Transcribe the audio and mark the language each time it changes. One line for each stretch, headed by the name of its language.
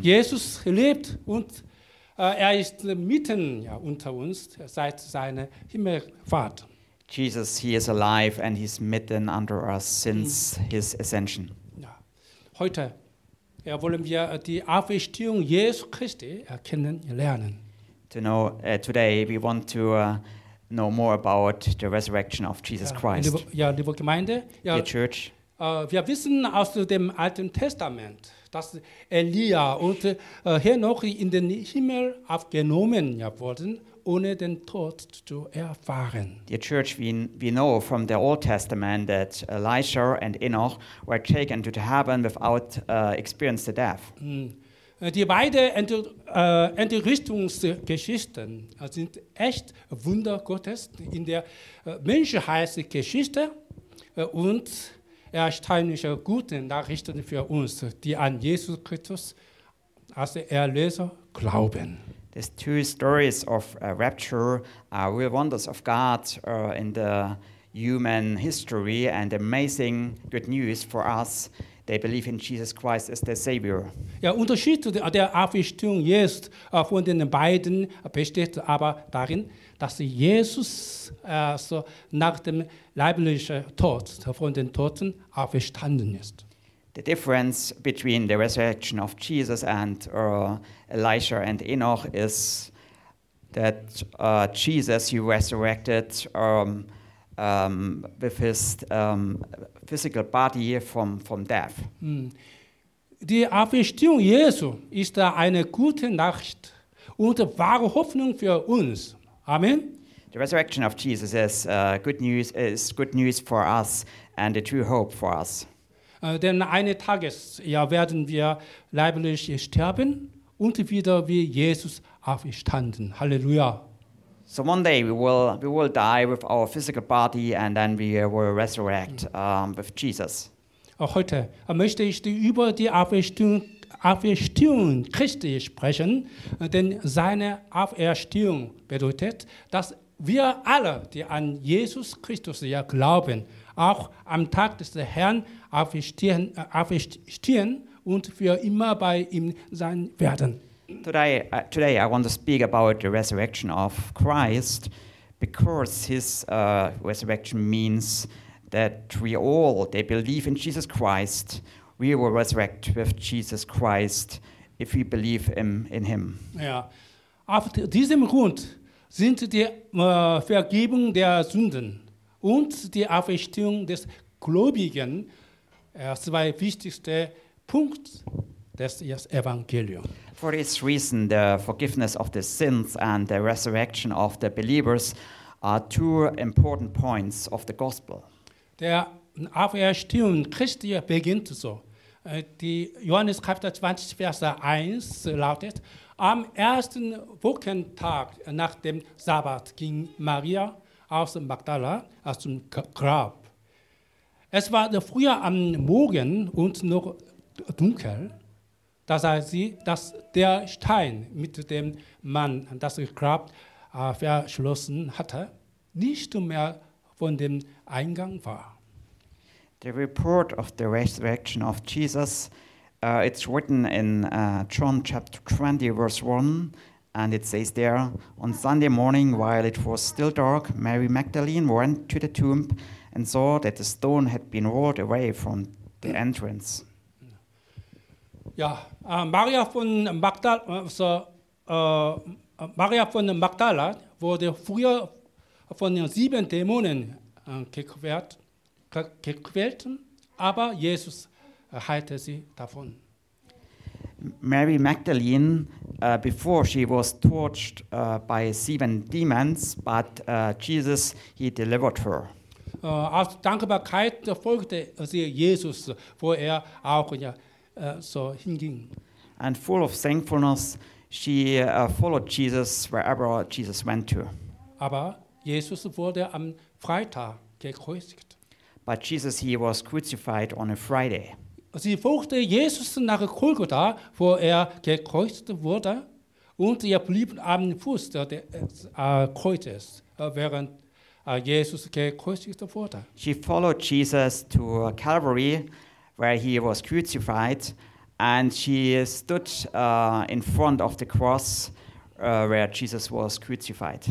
German: Jesus lebt und er ist mitten ja, unter uns seit seiner Himmelfahrt.
English: Jesus, he is alive and he's mitten under us since his ascension.
German: Ja. Heute ja, wollen wir die Auferstehung Jesu Christi kennenlernen.
English: To know today we want to know more about the resurrection of Jesus Christ.
German: Ja, liebe Gemeinde, ja,
English: dear church.
German: Wir wissen aus dem Alten Testament, dass Elia und Henoch in den Himmel aufgenommen wurden, ohne den Tod zu erfahren.
English: Dear church, we know from the Old Testament that Elisha and Enoch were taken to the heaven without experiencing the death.
German: Die beiden Entrüstungsgeschichten sind echt Wunder Gottes in der Menschheitsgeschichte und erstaunliche gute Nachrichten für uns, die an Jesus Christus als Erlöser glauben.
English: These two stories of rapture are real wonders of God in the human history and amazing good news for us. They believe in Jesus Christ as their Savior.
German: Ja, Unterschied zu der Auferstehung Jesu von den beiden besteht aber darin, dass Jesus so nach dem leiblichen Tod von den Toten auferstanden ist.
English: The difference between the resurrection of Jesus and Elisha and Enoch is that Jesus, he resurrected with his physical body from death.
German: Die Auferstehung Jesu ist eine gute Nachricht und wahre Hoffnung für uns. Amen.
English: The resurrection of Jesus is good news for us and a true hope for us.
German: Denn eines Tages ja, werden wir leiblich sterben und wieder wie Jesus auferstanden. Halleluja.
English: So one day we will die with our physical body and then we will resurrect with Jesus.
German: Heute möchte ich über die Auferstehung Christi sprechen, denn seine Auferstehung bedeutet, dass wir alle, die an Jesus Christus ja glauben, auch am Tag des Herrn auferstehen und für immer bei ihm sein werden.
English: Today I want to speak about the resurrection of Christ, because his resurrection means that we all, they believe in Jesus Christ, we will resurrect with Jesus Christ if we believe in him.
German: Ja, auf diesem Grund sind die Vergebung der Sünden und die Auferstehung des Gläubigen zwei wichtigste Punkte des Evangeliums.
English: For this reason, the forgiveness of the sins and the resurrection of the believers are two important points of the gospel.
German: Der Auferstehung Christi beginnt so. Die Johannes Kapitel 20, Vers 1 lautet: Am ersten Wochentag nach dem Sabbat ging Maria aus Magdala zum Grab. Es war früh am Morgen und noch dunkel. Da sah sie, dass der Stein, mit dem man das Grab verschlossen hatte, nicht mehr von dem Eingang war.
English: The report of the resurrection of Jesus, it's written in John chapter 20, verse 1, and it says there, on Sunday morning, while it was still dark, Mary Magdalene went to the tomb and saw that the stone had been rolled away from the entrance.
German: Ja, Maria von Magdala wurde früher von den sieben Dämonen gequält. gequälten, aber Jesus heilte sie davon.
English: Mary Magdalene, before she was tortured by seven demons, but Jesus, he delivered her.
German: Aus Dankbarkeit folgte sie Jesus, wo er auch ja, so hinging.
English: And full of thankfulness, she followed Jesus wherever Jesus went to.
German: Aber Jesus wurde am Freitag gekreuzigt.
English: But Jesus, he was crucified on a Friday.
German: Sie folgte Jesus nach Golgatha, wo er gekreuzigt wurde, und er blieb am Fuß des Kreuzes, während Jesus gekreuzigt wurde.
English: She followed Jesus to Calvary, where he was crucified, and she stood in front of the cross where Jesus was crucified.